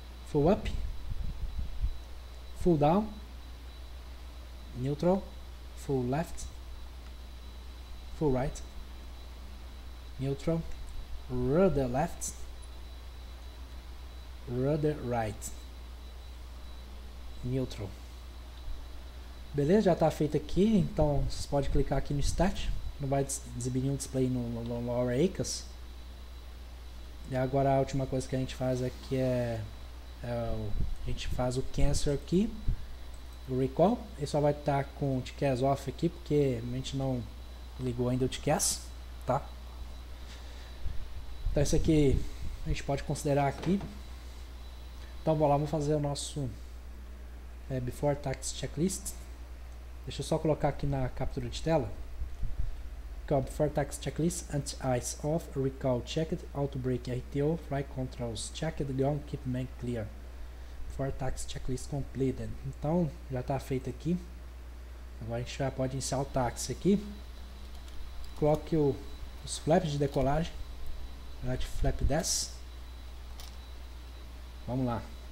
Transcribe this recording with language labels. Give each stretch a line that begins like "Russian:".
English: Full up, full down, neutral, full left, full right, neutral, rudder left, rudder right, neutral.
Portuguese: Beleza, já está feito aqui. Então vocês podem clicar aqui no start. Não vai exibir nenhum display no lower ACES. E agora a última coisa que a gente faz aqui a gente faz o cancel aqui. O recall, ele só vai estar com o TCAS off aqui, porque a gente não ligou ainda o TCAS, tá? Então isso aqui a gente pode considerar aqui. Então vou lá, vamos fazer o nosso before taxi checklist. Deixa eu só colocar aqui na captura de tela.
English: Call before taxi checklist, anti-ice off, recall checked, auto brake RTO, flight controls checked, ground equipment clear. For taxi checklist completed.
Portuguese: Então já está feito aqui. Agora a gente já pode iniciar o táxi aqui. Coloque os flaps de decolagem. Flap 10. Vamos lá.